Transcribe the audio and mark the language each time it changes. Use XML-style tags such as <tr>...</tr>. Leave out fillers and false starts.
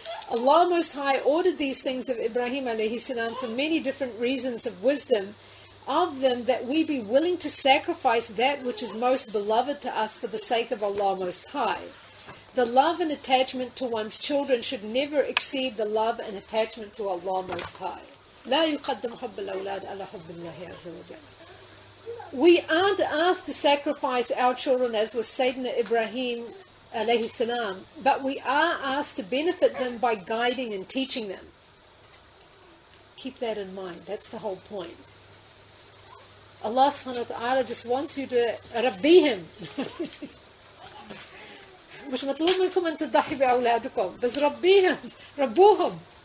<en>Allah Most High ordered these things of Ibrahim alayhi salam for many different reasons of wisdom, of them that we be willing to sacrifice that which is most beloved to us for the sake of Allah Most High. The love and attachment to one's children should never exceed the love and attachment to Allah Most High.</en> <ar>لا يقدم حب الأولاد على حب الله عز وجل.</ar> <en>We aren't asked to sacrifice our children as was Sayyidina Ibrahim alayhi salam, but we are asked to benefit them by guiding and teaching them. Keep that in mind. That's the whole point. Allah subhanahu wa ta'ala just wants you to rabbi him.</en> <ar>مش مطلوب منكم أن تضحي بأولادكم بس ربيهم ربوهم.</ar>